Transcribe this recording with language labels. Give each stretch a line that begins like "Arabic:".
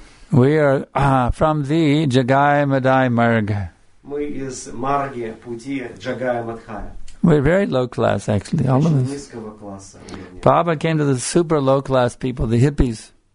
English: We are from the Jagai Madai Marg.
Russian: Мы из марги пути Джагая Мадхая.
English: We're very low class, actually, all of us. Prabhupada came to the super low class people, the hippies.